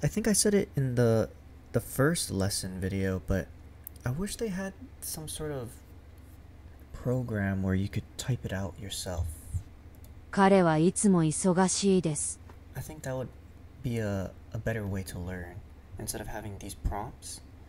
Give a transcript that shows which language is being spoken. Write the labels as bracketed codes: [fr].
[en] I think I said it in the first lesson video, but I wish they had some sort of program where you could type it out yourself. [ja] 彼はいつも忙しいです. [en] I think that would be a better way to learn instead of having these prompts.